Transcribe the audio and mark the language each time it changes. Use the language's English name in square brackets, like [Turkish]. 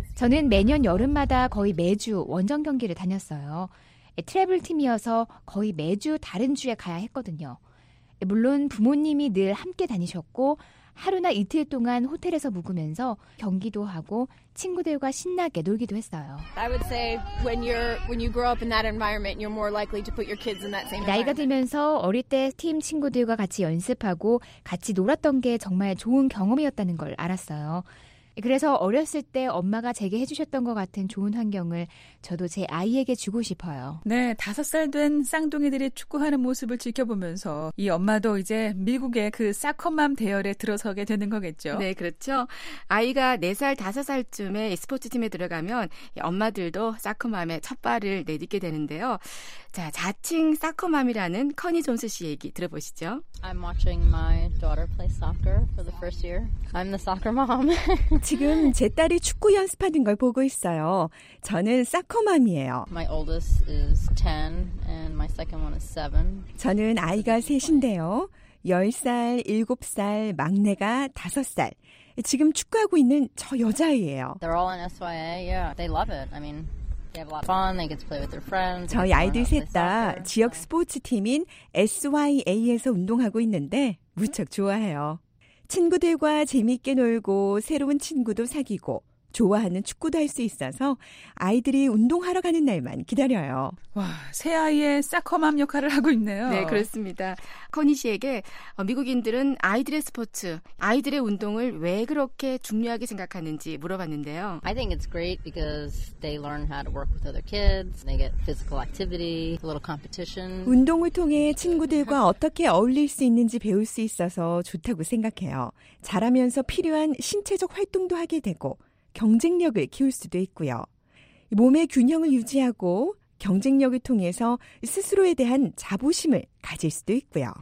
[Korean] 저는 매년 여름마다 거의 매주 원정 경기를 다녔어요. 트래블 팀이어서 거의 매주 다른 주에 가야 했거든요. 물론 부모님이 늘 함께 다니셨고 하루나 이틀 동안 호텔에서 묵으면서 경기도 하고 친구들과 신나게 놀기도 했어요. [English] I would say when you grow up in that environment, you're more likely to put your kids in that same environment. [Korean] 나이가 들면서 어릴 때 팀 친구들과 같이 연습하고 같이 놀았던 게 정말 좋은 경험이었다는 걸 알았어요. 그래서 어렸을 때 엄마가 제게 해주셨던 것 같은 좋은 환경을 저도 제 아이에게 주고 싶어요. 네, 5살 된 쌍둥이들이 축구하는 모습을 지켜보면서 이 엄마도 이제 미국의 그 사커맘 대열에 들어서게 되는 거겠죠. 네, 그렇죠. 아이가 4살, 5살쯤에 스포츠팀에 들어가면 엄마들도 사커맘의 첫발을 내딛게 되는데요. 자, 자칭 사커맘이라는 커니 존스 씨 얘기 들어보시죠. [English] I'm watching my daughter play soccer for the first year. I'm the soccer mom. [Korean] 지금 제 딸이 축구 연습하는 걸 보고 있어요. 저는 사커맘이에요. [English] My oldest is 10 and my second one is 7. [Korean] 저는 아이가 셋인데요. 10살, 7살, 막내가 5살. 지금 축구하고 있는 저 여자아이예요. [English] They're all in SYA. Yeah, they love it. I mean, they have a lot of fun. They get to play with their friends. [Korean] 저희 아이들 셋 다 지역 스포츠 팀인 SYA에서 운동하고 있는데 무척 좋아해요. 친구들과 재미있게 놀고 새로운 친구도 사귀고 좋아하는 축구도 할 수 있어서 아이들이 운동하러 가는 날만 기다려요. 와, 새 아이의 사커맘 역할을 하고 있네요. 네, 그렇습니다. 커니 씨에게 미국인들은 아이들의 스포츠, 아이들의 운동을 왜 그렇게 중요하게 생각하는지 물어봤는데요. [English] I think it's great because they learn how to work with other kids. They get physical activity, a little competition. [Korean] 운동을 통해 친구들과 어떻게 어울릴 수 있는지 배울 수 있어서 좋다고 생각해요. 자라면서 필요한 신체적 활동도 하게 되고 경쟁력을 키울 수도 있고요. 몸의 균형을 유지하고 경쟁력을 통해서 스스로에 대한 자부심을 가질 수도 있고요.